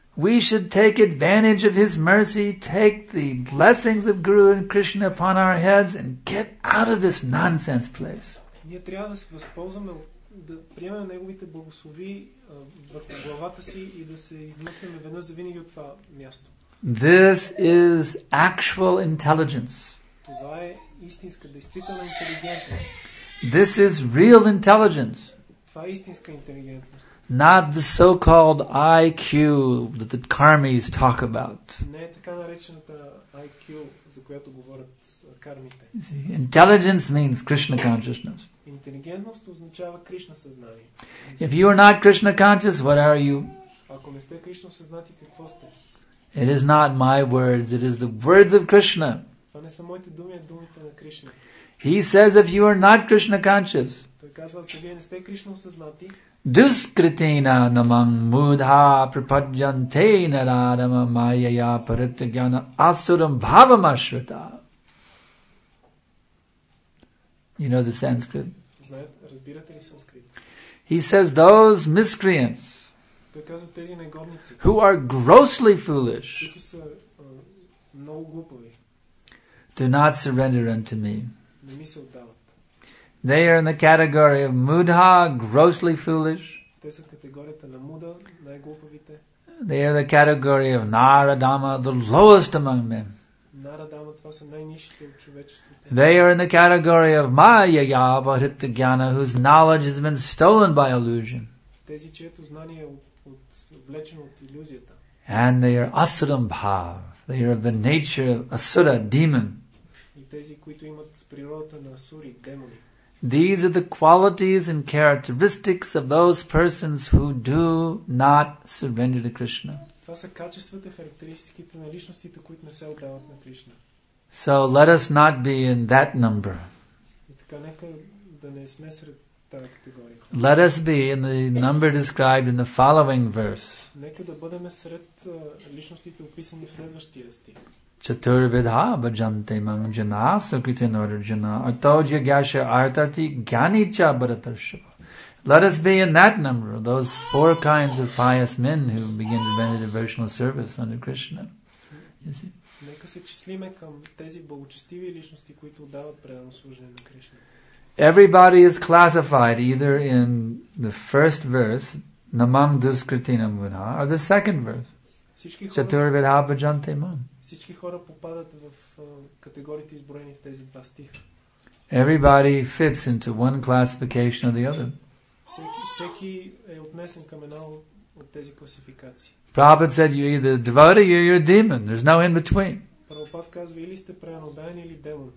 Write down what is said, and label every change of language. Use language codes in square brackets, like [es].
[en] We should take advantage of his mercy, take the blessings of Guru and Krishna upon our heads and get out of this nonsense place. [bg] Ние трябва да се възползваме, да приемем неговите благослови върху главата си и да се измъкнем веднъж завинаги от това място. [en] This is actual intelligence. [bg] Това е истинска, действителна интелигентност. [en] This is real intelligence. [bg] Това е истинска интелигентност. [en] Not the so-called IQ that the karmis talk about. [bg] Не е така наречената IQ, за която говорят кармите. [en] Intelligence means Krishna consciousness. [bg] Интелигентност означава Кришна съзнание. [en] If you are not Krishna conscious, what are you? [bg] Ако не сте Кришна съзнати, какво сте? [en] It is not my words, it is the words of Krishna. [bg] Това не са моите думи, а думите на Кришна. [en] He says if you are not Krishna conscious. [bg] Той казва, че вие не сте Кришна осъзнати. [sa] Duskritena namang mudha prapadyante naradama mayaya paritagyana asuram bhavam ashrita. [en] You know the Sanskrit? [bg] Разбирате ли санскрит? [en] He says those miscreants [bg] Той казва тези негодници, [en] who are grossly foolish, [bg] които са много глупави, [en] do not surrender unto me. [bg] Не ми се отдават. [en] They are in the category of mudha, grossly foolish. [bg] Те са категорията на муда, най-глупавите. [en] They are the category of Naradama, the lowest among men. [bg] Naradama, това са най-нищите от човечеството. [en] They are in the category of Mayaya, Vahritta Gyana, whose knowledge has been stolen by illusion. [bg] Тези, чието знание от влечено от иллюзията. [en] And they are asuram bhav. They are of the nature of asura, demon. [bg] И тези, които имат природата на асури, демони. [en] These are the qualities and characteristics of those persons who do not surrender to Krishna. [bg] Това са качествата, характеристиките на личностите, които не се отдават на Кришна. [en] So let us not be in that number. [bg] И така нека да не сме сред. [en] Let us be in the number described in the following verse. [bg] Нека да бъдем сред личностите, описани в следващия стих. [sa] Чатурвидха баджанте мам джана сукритен арджана атоджа гяша артарти гьянича баратаршава. [en] Let us be in that number, those four kinds of pious men who begin to render devotional service under Krishna. [bg] Нека се числиме към тези благочестиви личности, които отдават предано служение на Кришна. [en] Everybody is classified either in the first verse, [sa] Namang Duskritina Mudha, [en] or the second verse, [sa] Chaturvidha Bhajante Mam. [bg] Всички хора попадат в категориите, изброени в тези два стиха. [en] Everybody fits into one classification or the other. [bg] Всеки е отнесен към една от тези класификации. [en] Prabhupada said, you're either a devotee or you're a demon. There's no in between. [bg] Prabhupada казва, или сте преноден, или демон.